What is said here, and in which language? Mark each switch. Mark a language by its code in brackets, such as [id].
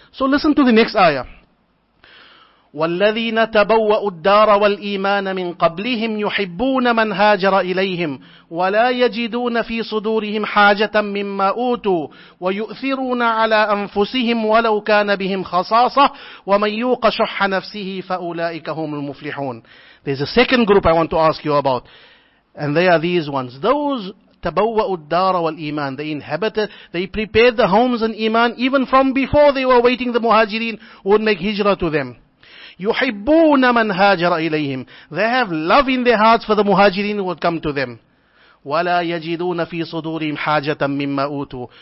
[en] So listen to the next ayah. [ar] وَالَّذِينَ تَبَوَّأُوا الدَّارَ وَالْإِيمَانَ مِنْ قَبْلِهِمْ يُحِبُّونَ مَنْ هَاجَرَ إِلَيْهِمْ وَلَا يَجِدُونَ فِي صُدُورِهِمْ حَاجَةً مِمَّا أُوتُوا وَيُؤْثِرُونَ عَلَى أَنفُسِهِمْ وَلَوْ كَانَ بِهِمْ خَصَاصَةٌ وَمَنْ يُوقَ شُحَّ نَفْسِهِ فَأُولَئِكَ هُمُ الْمُفْلِحُونَ. [en] There's a second group I want to ask you about. And they are these ones. [ar] Those تَبَوَّأُوا الدَّارَ وَالْإِيمَانَ. [en] They inhabited, they prepared the homes and iman even from before they were waiting the muhajirin who would make hijrah to them. [ar] يُحِبُّونَ مَنْ هَاجَرَ إِلَيْهِمْ. [en] They have love in their hearts for the muhajirin who would come to them. [ar] وَلَا يَجِدُونَ فِي صُدُورِهِمْ حَاجَةً مِمَّا أُوتُوا.